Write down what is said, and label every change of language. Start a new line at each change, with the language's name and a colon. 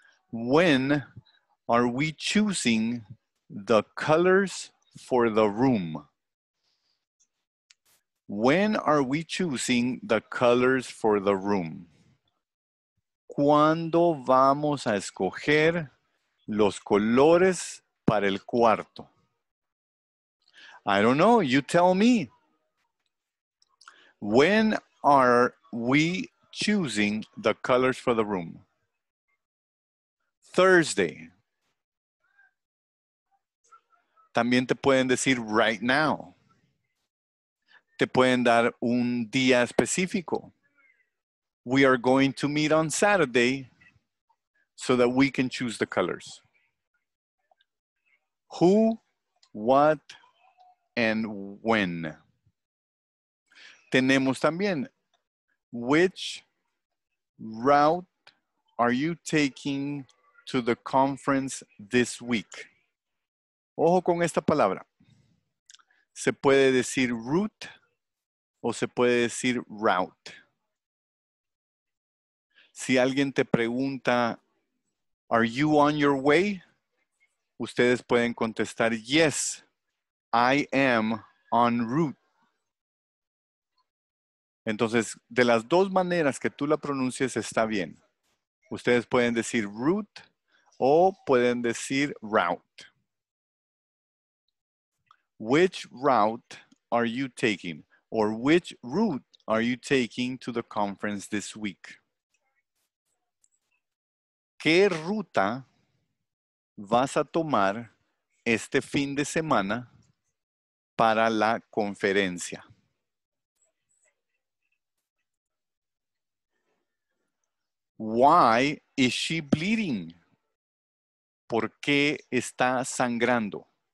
English: When are we choosing the colors for the room? When are we choosing the colors for the room?
Spanish: ¿Cuándo vamos a escoger los colores para el cuarto?
English: I don't know. You tell me. When are we choosing the colors for the room? Thursday.
Spanish: También te pueden decir
English: right now.
Spanish: Te pueden dar un día específico.
English: We are going to meet on Saturday so that we can choose the colors. Who, what, and when.
Spanish: Tenemos también,
English: which route are you taking to the conference this week?
Spanish: Ojo con esta palabra. Se puede decir route o se puede decir route. Si alguien te pregunta,
English: are you on your way?
Spanish: Ustedes pueden contestar,
English: yes, I am en route.
Spanish: Entonces, de las dos maneras que tú la pronuncies, está bien. Ustedes pueden decir route o pueden decir route.
English: Which route are you taking? Or which route are you taking to the conference this week?
Spanish: ¿Qué ruta vas a tomar este fin de semana para la conferencia?
English: Why is she bleeding?
Spanish: ¿Por qué está sangrando?